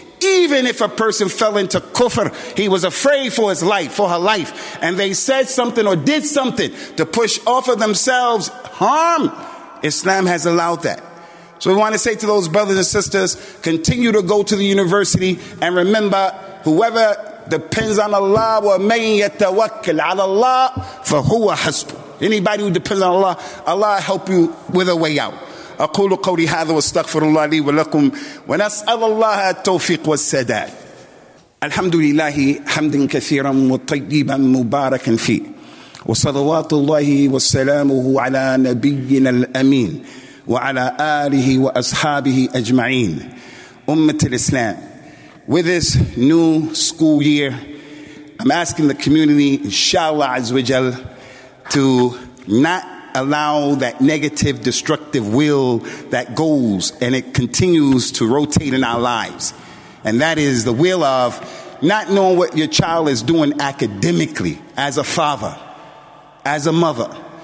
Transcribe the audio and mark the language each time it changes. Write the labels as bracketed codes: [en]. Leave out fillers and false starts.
[en] Even if a person fell into kufr, he was afraid for his life, for her life, and they said something or did something to push off of themselves harm, Islam has allowed that. So we want to say to those brothers and sisters, continue to go to the university, and remember, whoever depends on Allah, [ar] wa man yatawakkal ala Allah, fa huwa hasbu. [en] Anybody who depends on Allah, Allah help you with a way out. [ar] أقول قولي هذا واستغفر الله لي ولكم ونسأل الله التوفيق والسداد. الحمد لله حمدا كثيرا وطيبا مباركا فيه وصلوات الله وسلامه على نبينا الأمين وعلى آله وأصحابه أجمعين. أمة الإسلام, [en] with this new school year, I'm asking the community, inshallah azwajal, to not allow that negative, destructive will that goes and it continues to rotate in our lives. And that is the will of not knowing what your child is doing academically as a father, as a mother.